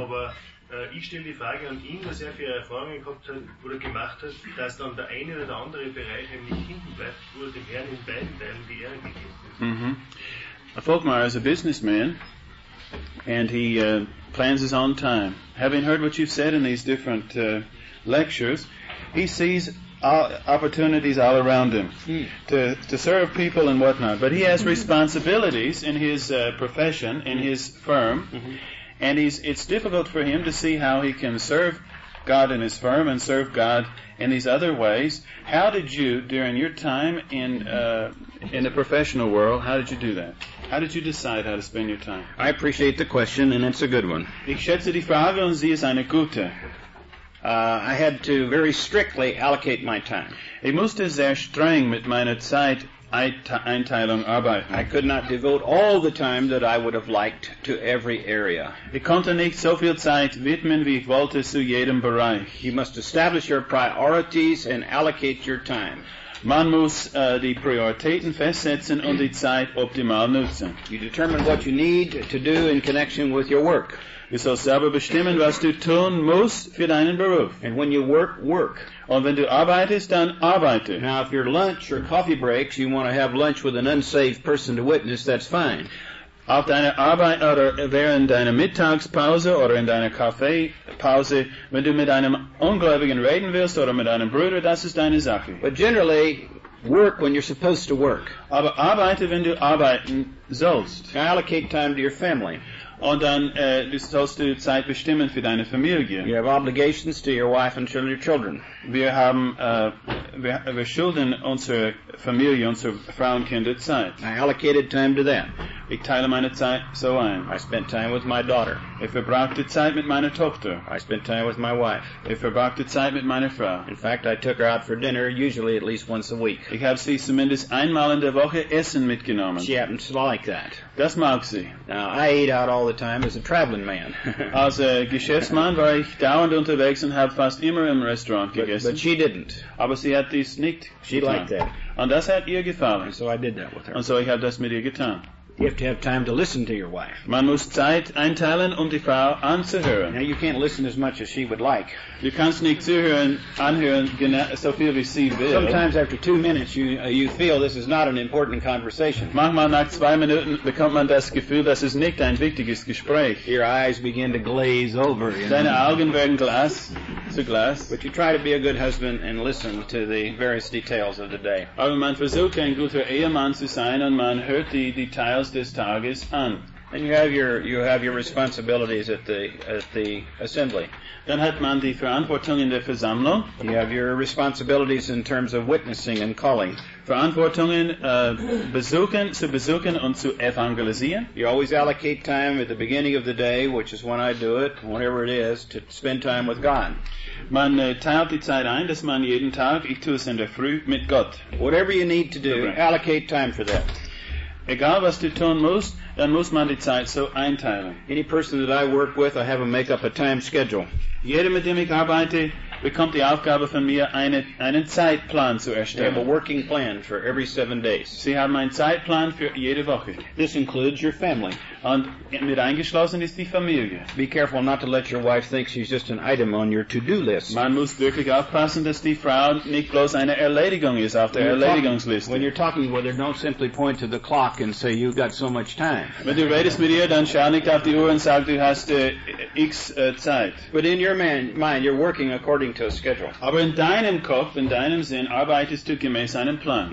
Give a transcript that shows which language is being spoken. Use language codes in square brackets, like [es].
[de] Aber ich stelle die Frage an ihn, was er für Erfahrungen gehabt hat oder gemacht hat, dass dann der eine oder der andere Bereich nämlich hinten bleibt, wo er dem Herrn in beiden Teilen die Ehre gegeben hat. Mhm. [en] Volkmar [de] ist ein [en] Businessman [de] und er [en] plans his own time. Having heard what you've said in these different lectures, he sees opportunities all around him to serve people and whatnot. But he has responsibilities in his profession, in his firm, and it's difficult for him to see how he can serve God in his firm and serve God in these other ways. How did you, during your time in the professional world, how did you do that? How did you decide how to spend your time? I appreciate the question, and it's a good one. [de] Ich schätze die Frage, und sie ist eine gute. [en] I had to very strictly allocate my time. [de] Ich musste sehr streng mit meiner Zeit Einteilung arbeiten. [en] I could not devote all the time that I would have liked to every area. [de] Ich konnte nicht so viel Zeit widmen, wie ich wollte, zu jedem Bereich. [en] You must establish your priorities and allocate your time. [de] Man muss die Prioritäten festsetzen und die Zeit optimal nutzen. [en] You determine what you need to do in connection with your work. [de] Du sollst selber bestimmen, was du tun musst für deinen Beruf. [en] And when you work, work. [de] Und wenn du arbeitest, dann arbeite. [en] Now, if your lunch or coffee breaks, you want to have lunch with an unsafe person to witness, that's fine. [de] Auf deiner Arbeit oder während deiner Mittagspause oder in deiner Kaffeepause, wenn du mit einem Ungläubigen reden willst oder mit einem Bruder, das ist deine Sache. [en] But generally, work when you're supposed to work. [de] Aber arbeite, wenn du arbeiten sollst. [en] Now allocate time to your family. [de] Und dann sollst du Zeit bestimmen für deine Familie. [en] You have obligations to your wife and your children. [de] Wir schulden unsere Familie, unsere Frau und Kinder Zeit. [en] I allocated time to them. [de] Ich teile meine Zeit so ein. [en] I spent time with my daughter. [de] Ich verbrachte Zeit mit meiner Tochter. [en] I spent time with my wife. [de] Ich verbrachte Zeit mit meiner Frau. [en] In fact, I took her out for dinner, usually at least once a week. [de] Ich habe sie zumindest einmal in der Woche Essen mitgenommen. [en] She happens to like that. [de] Das mag sie. [en] Now, I ate out all the time as a traveling man. [de] Als Geschäftsmann war ich dauernd unterwegs und habe fast immer im Restaurant gegessen. [en] But she didn't. [de] Aber sie hat dies nicht getan. [en] She liked that. [de] Und das hat ihr gefallen. [en] And so I did that with her. [de] Und so ich habe das mit ihr getan. [en] You have to have time to listen to your wife. [de] Man muss Zeit einteilen, die Frau anzuhören. [en] Now you can't listen as much as she would like. [de] Du kannst nicht zuhören, anhören, so viel wie sie will. [en] Sometimes after 2 minutes you feel this is not an important conversation. [de] Manchmal nach 2 Minuten bekommt man das Gefühl, das ist nicht ein wichtiges Gespräch. [en] Your eyes begin to glaze over. You [de] Deine [en] know. [de] Augen werden glass, zu glass. [en] But you try to be a good husband and listen to the various details of the day. [de] Aber man versucht ein guter Ehemann zu sein und man hört die Details. [en] And you have your responsibilities at the assembly. [de] Dann hat man die Verantwortung in der Versammlung. [en] You have your responsibilities in terms of witnessing and calling. [de] Verantwortungen zu besuchen und zu evangelisieren. [en] You always allocate time at the beginning of the day, which is when I do it, whatever it is, to spend time with God. [de] Man teilt die Zeit ein, dass man jeden Tag, ich tue es in der Früh, mit Gott. [en] Whatever you need to do, allocate time for that. [de] Egal was du tun musst, dann muss man die Zeit so einteilen. [en] Any person that I work with, I have them make up a time schedule. [de] Jeder, mit dem ich arbeite, bekommt die Aufgabe von mir, einen Zeitplan zu erstellen. [en] I have a working plan for every 7 days. [de] Sie haben einen Zeitplan für jede Woche. [en] This includes your family. [de] Und mit eingeschlossen ist die Familie. [en] Be careful not to let your wife think she's just an item on your to-do list. [de] Man muss wirklich aufpassen, dass die Frau nicht bloß eine Erledigung ist auf der Erledigungsliste. [en] When you're talking with her, don't simply point to the clock and say, you've got so much time. [de] Wenn du redest mit ihr, dann schau nicht auf die Uhr und sag, du hast X Zeit. [en] But in your mind, you're working according to a schedule. [de] Aber in deinem Kopf, in deinem Sinn, arbeitest du gemäß einem Plan.